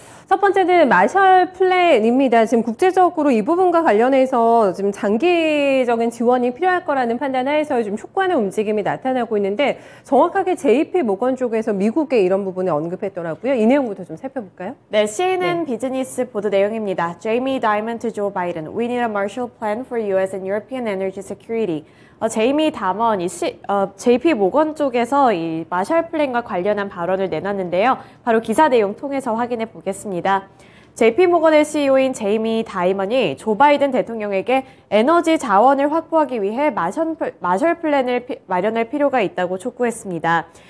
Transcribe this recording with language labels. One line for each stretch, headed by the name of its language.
Korean: 첫 번째는 마샬 플랜입니다. 지금 국제적으로 이 부분과 관련해서 지금 장기적인 지원이 필요할 거라는 판단하에서 지금 촉구하는 움직임이 나타나고 있는데, 정확하게 JP 모건 쪽에서 미국의 이런 부분을 언급했더라고요. 이 내용부터 좀 살펴볼까요? 네, CNN 비즈니스 보도 내용입니다.
English: 제이미 다이먼드 조 바이든, We need a Marshall Plan for US and European Energy Security.
Korean: 제이미 담원, JP 모건 쪽에서 이 마샬 플랜과 관련한 발언을 내놨는데요. 바로 기사 내용 통해서 확인해 보겠습니다. JP 모건의 CEO인 제이미 다이먼이 조 바이든 대통령에게 에너지 자원을 확보하기 위해 마샬 플랜을 마련할 필요가 있다고 촉구했습니다.